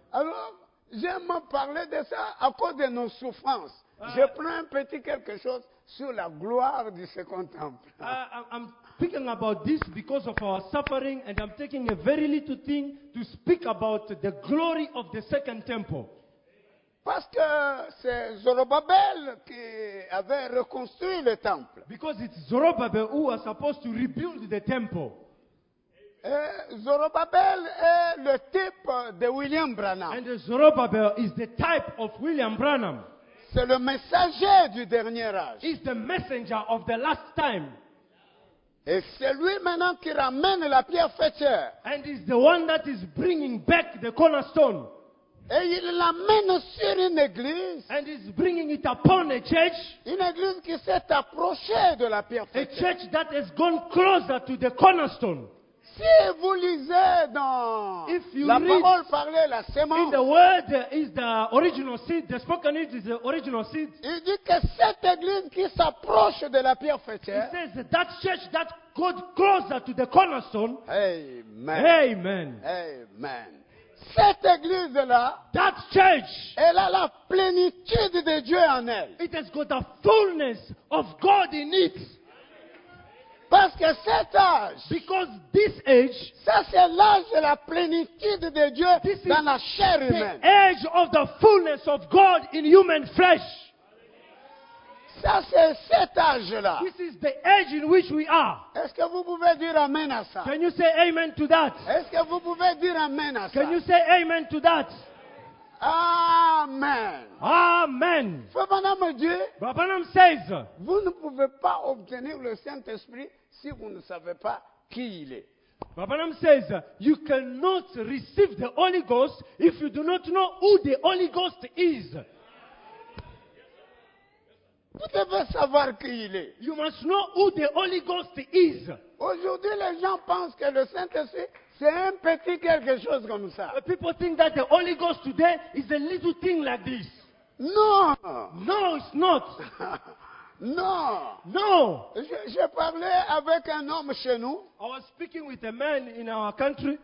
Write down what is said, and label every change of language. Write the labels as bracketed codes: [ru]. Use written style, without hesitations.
[fr] Alors, j'aime parler de ça à cause de nos souffrances. Je prends un petit quelque chose sur la gloire du second temple. [en] I'm speaking about this because of our suffering, and I'm taking a very little thing to speak about the glory of the second temple. [fr] Parce que c'est Zorobabel qui avait reconstruit le temple. [en] Because it's Zorobabel who was supposed to rebuild the temple. [fr] Et Zorobabel est le type de William Branham. [en] And Zorobabel is the type of William Branham. [fr] C'est le messager du dernier âge. [en] He's the messenger of the last time. [fr] Et c'est lui maintenant qui ramène la pierre fêtière. [en] And he's the one that is bringing back the cornerstone. [fr] Et il l'amène sur une église. [en] And he's bringing it upon a church. [fr] Une église qui s'est approchée de la pierre fêtière. [en] A church that has gone closer to the cornerstone. [fr] Si vous lisez dans [en] If you [fr] la [en] read, [fr] parole parlée, la semence. [en] In the word is the original seed. The spoken word is the original seed. [fr] Il dit que cette église qui s'approche de la pierre fêtière. [en] He says that church that got closer to the cornerstone. Amen. Amen. [fr] Amen. Cette église-là, [en] that church, [fr] elle a la plénitude de Dieu en elle. [en] It has got the fullness of God in it. [fr] Parce que cet âge, [en] because this age, [fr] ça c'est l'âge de la plénitude de Dieu dans la chair humaine. [en] The age of the fullness of God in human flesh. [fr] Ça c'est cet âge-là. [en] This is the age in which we are. [fr] Est-ce que vous pouvez dire amen à ça? [en] Can you say amen to that? [fr] Est-ce que vous pouvez dire amen à ça? [en] Can you say amen to that? [fr] Amen. [en] Amen. [fr] Frère [en] Branham says, [fr] vous ne pouvez pas obtenir le Saint-Esprit si vous ne savez pas qui il est. [en] Frère Branham says, you cannot receive the Holy Ghost if you do not know who the Holy Ghost is. You must know who the Holy Ghost is. [fr] Aujourd'hui, les gens pensent que le Saint-Esprit, c'est un petit quelque chose comme ça. [en] But people think that the Holy Ghost today is a little thing like this. [fr] Non. [en] No, it's not. [fr] Non. Non. Je parlais avec un homme chez nous. [en] I was speaking with a man in our country.